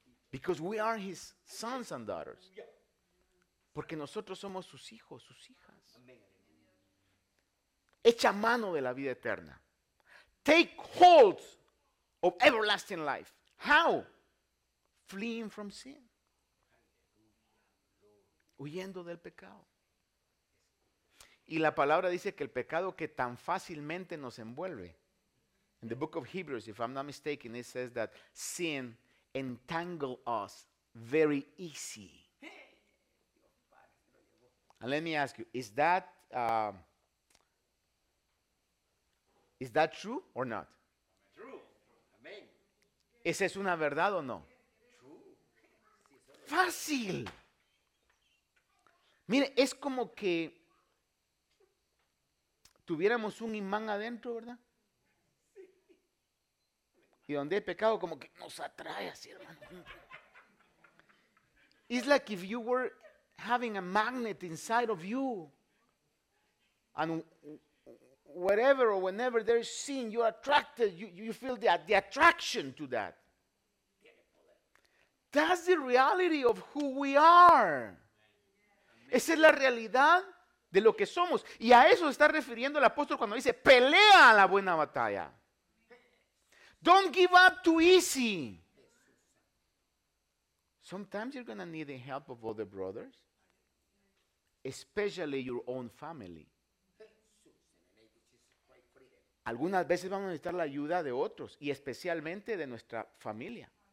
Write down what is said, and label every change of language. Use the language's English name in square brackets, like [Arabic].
[English] Because we are his sons and daughters. [Spanish] Porque nosotros somos sus hijos, sus hijas. Echa mano de la vida eterna. [English] Take hold of everlasting life. How? Fleeing from sin. [Spanish] huyendo del pecado. Y la palabra dice que el pecado que tan fácilmente nos envuelve. [English] In the book of Hebrews, if I'm not mistaken, it says that sin entangles us very easy. And let me ask you, is that true or not? True. Amen. [Spanish] ¿Esa es una verdad o no? [English] True. [Spanish] Fácil. Mire, es como que tuviéramos un imán adentro, ¿verdad? Y donde hay pecado, como que nos atrae así, hermano. [English] It's like if you were having a magnet inside of you. And wherever or whenever there is sin, you are attracted. You feel the attraction to that. That's the reality of who we are. [Spanish] Esa es la realidad de lo que somos. Y a eso está refiriendo el apóstol cuando dice, pelea la buena batalla. [English] Don't give up too easy. Sometimes you're going to need the help of other brothers, especially your own family. [Spanish] Algunas veces vamos a necesitar la ayuda de otros, y especialmente de nuestra familia.